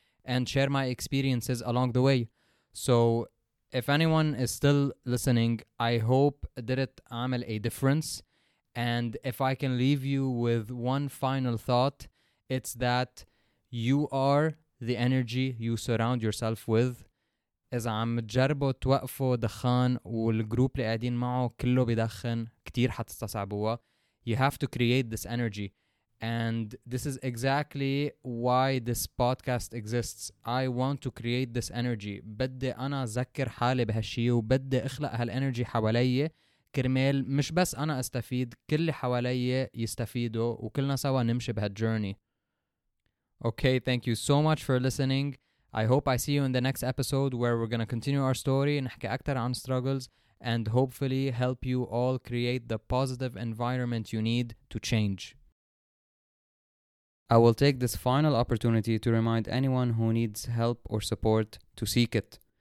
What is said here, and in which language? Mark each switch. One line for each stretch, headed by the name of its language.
English: And share my experiences along the way. So if anyone is still listening, I hope did it عمل a difference. And if I can leave you with one final thought, it's that you are the energy you surround yourself with.
Arabic: إذا عم تجربوا توقفوا دخان والجروب اللي قاعدين معه كله بيدخن كتير حتستصعبوها.
English: You have to create this energy. And this is exactly why this podcast exists. I want to create this energy.
Arabic: بدي أنا أذكر حالي بهالشي وبدي أخلق هالإنرجي حواليي كرمال مش بس أنا أستفيد كل اللي حواليي يستفيدوا وكلنا سوا نمشي بهالجورني.
English: Okay, thank you so much for listening. I hope I see you in the next episode where we're gonna continue our story
Arabic: نحكي أكتر عن
English: struggles and hopefully help you all create the positive environment you need to change. I will take this final opportunity to remind anyone who needs help or support to seek it.